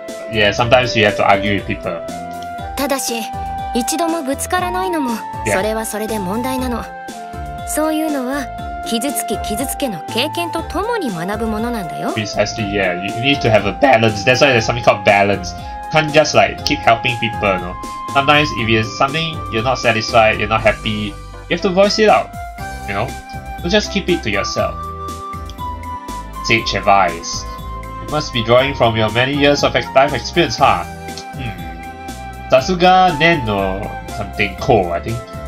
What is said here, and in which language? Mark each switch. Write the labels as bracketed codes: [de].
[en] Yeah, sometimes you have to argue with people. [ja] ただし、一度もぶつからないのも、それはそれで問題なの。そういうのは傷つき傷つけの経験とともに学ぶものなんだよ。 [en] Precisely, yeah. You need to have a balance. That's why there's something called balance. Can't just like keep helping people, you know. Sometimes if it's something you're not satisfied, you're not happy, you have to voice it out, you know. Don't just keep it to yourself. Sage advice. You must be drawing from your many years of life experience, huh? Sasuga nen no something cool, I think.